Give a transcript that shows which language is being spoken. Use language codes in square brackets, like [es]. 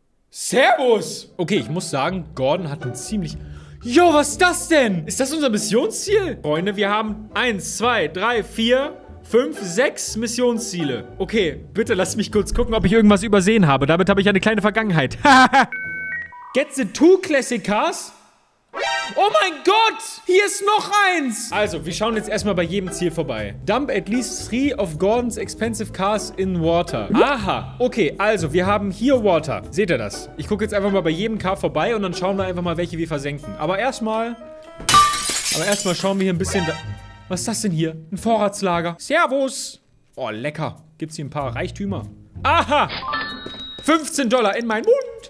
[de] Servus! Okay, ich muss sagen, Gordon hat einen ziemlich... Jo, was ist das denn? Ist das unser Missionsziel? Freunde, wir haben 1, 2, 3, 4, 5, 6 Missionsziele. Okay, bitte lass mich kurz gucken, ob ich irgendwas übersehen habe. Damit habe ich eine kleine Vergangenheit. [en] Get the two classic cars? [de] Oh mein Gott! Hier ist noch eins! Also, wir schauen jetzt erstmal bei jedem Ziel vorbei. [en] Dump at least 3 of Gordons expensive cars in water. Aha! [de] Okay, also, wir haben hier water. Seht ihr das? Ich gucke jetzt einfach mal bei jedem Car vorbei und dann schauen wir einfach mal, welche wir versenken. Aber erstmal schauen wir hier ein bisschen... Was ist das denn hier? Ein Vorratslager. Servus! Oh, lecker. Gibt's hier ein paar Reichtümer? Aha! $15 in meinen Mund!